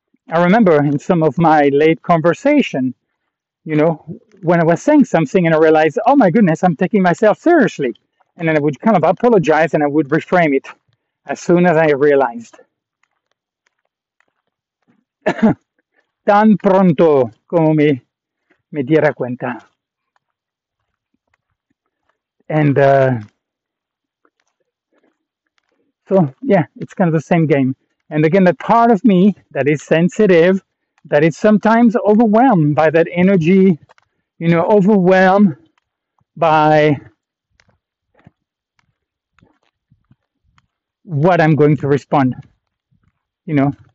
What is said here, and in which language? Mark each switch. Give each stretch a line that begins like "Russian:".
English: I remember in some of my late conversation, you know, when I was saying something and I realized, oh my goodness, I'm taking myself seriously. And then I would kind of apologize and I would reframe it as soon as I realized.
Spanish: Tan pronto como me diera cuenta.
English: And so yeah, it's kind of the same game. And again, the part of me that is sensitive, that is sometimes overwhelmed by that energy, you know, overwhelmed by what I'm going to respond, you know.